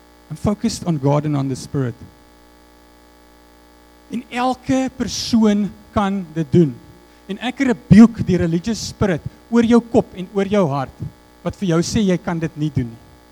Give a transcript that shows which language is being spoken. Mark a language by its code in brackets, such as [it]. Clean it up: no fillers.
[en] I'm focused on God and on the spirit. [af] En elke persoon kan dit doen. En ek rebuke die religious spirit oor jou kop en oor jou hart wat vir jou sê jy kan dit nie doen nie.